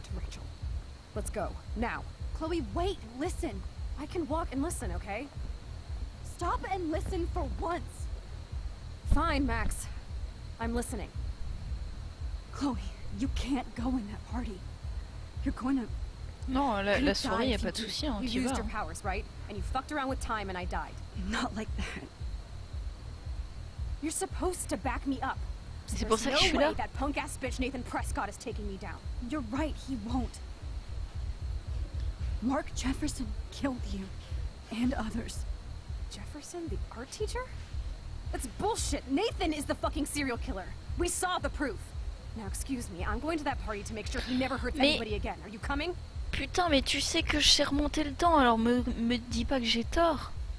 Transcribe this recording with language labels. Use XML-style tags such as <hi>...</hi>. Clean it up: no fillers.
<en>Rachel. Let's go. Now. Chloe, wait. Listen. I can walk and listen, okay? Stop and listen for once. Fine, Max. I'm listening. Chloe, you can't go in that party. You're going to...</en> <fr>Non, la soirée, y'a pas de soucis, hein, tu vas.</fr> <en>You used your powers, right? And you fucked around with time and I died. Not like that. You're supposed to back me up.</en> <fr>C'est pour ça que je suis là.</fr> <en>That punk-ass bitch Nathan Prescott is taking me down. You're right, he won't. Mark Jefferson killed you. And others. Jefferson, the art teacher? That's bullshit! Nathan is the fucking serial killer! We saw the proof! Now excuse me, I'm going to that party to make sure he never hurts anybody again. Are you coming?</en> <fr>Putain, mais tu sais que je sais remonter le temps, alors me dis pas que j'ai tort.</fr>